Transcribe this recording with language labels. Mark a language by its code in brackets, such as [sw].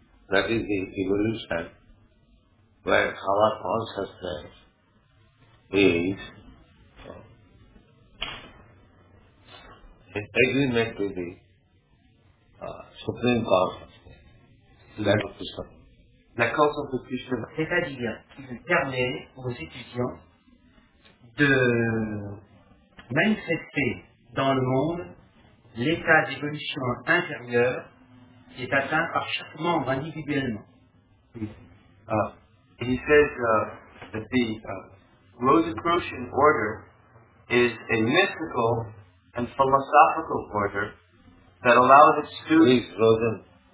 [en] That is the evolution where our consciousness is in agreement with the Supreme Consciousness. [fr] La conscience de Krishna. C'est-à-dire qu'il permet aux étudiants de manifester dans le monde l'état d'évolution intérieure qui est atteint par chaque membre individuellement. [en] He says that the Rosicrucian order is a mystical and philosophical order that allows its students.